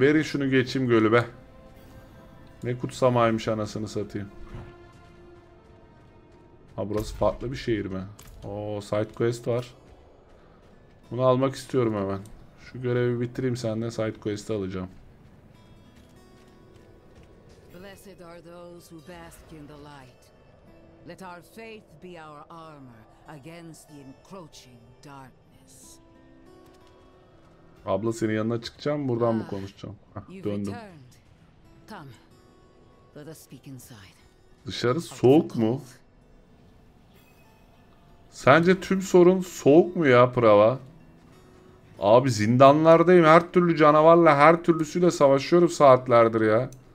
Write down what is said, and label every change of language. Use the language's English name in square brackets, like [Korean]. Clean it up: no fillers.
[Turkish] Verin şunu, geçeyim gölü be. Ne kutsamaymış anasını satayım. Ha, burası farklı bir şehir mi? Oo, side quest var. Bunu almak istiyorum hemen. Şu görevi bitireyim, senden side quest'i alacağım. [English] Those who bask in the light, let our faith be our armor against the encroaching darkness. [Turkish] Abla, senin yanına çıkacağım, buradan mı konuşacağım? Döndüm. [English] Come, let us speak inside. [Turkish] Dışarı soğuk mu? Sence tüm sorun soğuk mu ya Prava? Abi, zindanlardayım, her türlü canavarla, her türlüsüyle savaşıyorum saatlerdir ya.